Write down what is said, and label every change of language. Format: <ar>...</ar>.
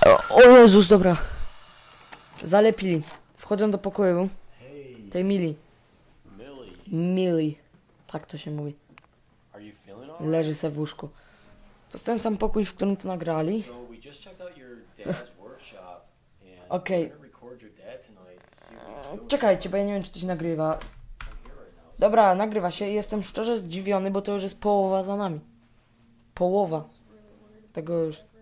<pl>O Jezus, dobra. Zalepili. Wchodzę do pokoju. Tej Mili. Millie. Millie. Tak to się mówi.</pl> <en>Are you feeling all right?</en> <pl>Leży se w łóżku. To jest ten sam pokój, w którym to nagrali.</pl> <en>So we just checked out your dad's workshop and okay. We're gonna record your dad tonight to see what.</en> <pl>Czekajcie, bo ja nie wiem, czy to się nagrywa. Dobra, nagrywa się i jestem szczerze zdziwiony, bo to już jest połowa za nami. Połowa. Tego już.</pl>